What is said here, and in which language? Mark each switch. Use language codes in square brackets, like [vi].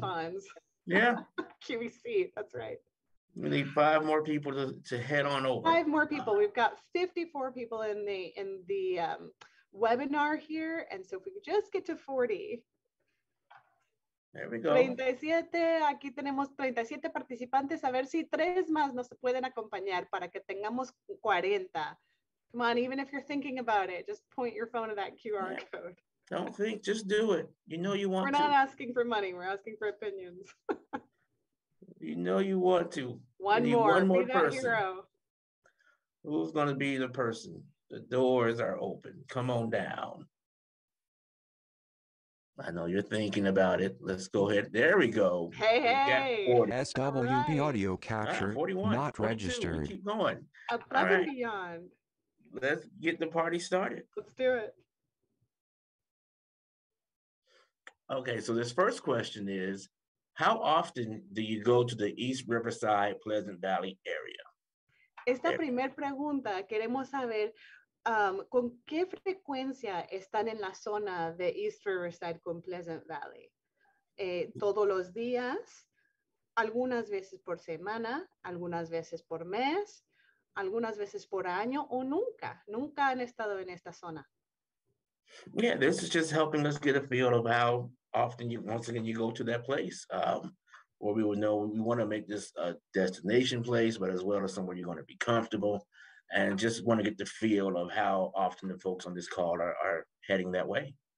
[en] Telethons. Yeah. QVC, that's right. We need 5 more people to head on over. 5 more people. We've got 54 people in the webinar here. And so if we could just get to 40. There we go. [es] 37, aquí tenemos 37 participantes. A ver si 3 más nos pueden acompañar para que tengamos 40. [en] Come on, even if you're thinking about it, just point your phone to that QR yeah. code. Don't think, just do it. You know you want to. We're not asking for money. We're asking for opinions. You know you want to. One more be person. That hero. Who's going to be the person? The doors are open. Come on down. I know you're thinking about it. Let's go ahead. There we go. Hey. SWB right. audio capture. Right, 41, not registered. Keep going. Above right. and beyond. Let's get the party started. Let's do it. Okay, so this first question is, how often do you go to the East Riverside Pleasant Valley area? [es] Esta primera pregunta queremos saber. ¿Con qué frecuencia están en la zona de East Riverside con Pleasant Valley? ¿Todos los días? Algunas veces por semana, algunas veces por mes, algunas veces por año, o nunca. Nunca han estado en esta zona. [en] Yeah, this is just helping us get a feel of how often you, once again, you go to that place. Or we will know we want to make this a destination place, but as well as somewhere you're going to be comfortable. And just want to get the feel of how often the folks on this call are heading that way.